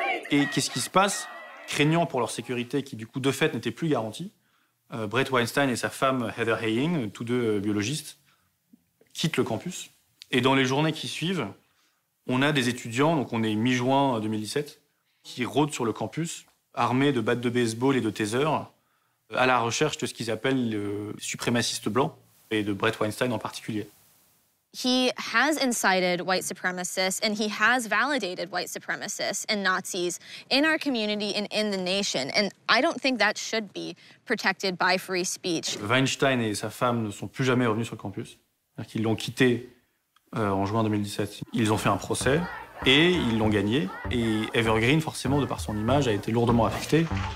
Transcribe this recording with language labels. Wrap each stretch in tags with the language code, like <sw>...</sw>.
<fr>Et qu'est-ce qui se passe? Craignant pour leur sécurité, qui du coup de fait n'était plus garantie, Brett Weinstein et sa femme Heather Haying, tous deux biologistes, quittent le campus. Et dans les journées qui suivent, on a des étudiants, donc on est mi-juin 2017, qui rôdent sur le campus, armés de battes de baseball et de tasers, à la recherche de ce qu'ils appellent le suprémaciste blanc, et de Brett Weinstein en particulier.</fr> <en>He has incited white supremacists and he has validated white supremacists and Nazis in our community and in the nation. And I don't think that should be protected by free speech.</en> <fr>Weinstein et sa femme ne sont plus jamais revenus sur le campus. C'est-à-dire qu'ils l'ont quitté en juin 2017. Ils ont fait un procès et ils l'ont gagné. Et Evergreen, forcément, de par son image, a été lourdement affecté.</fr>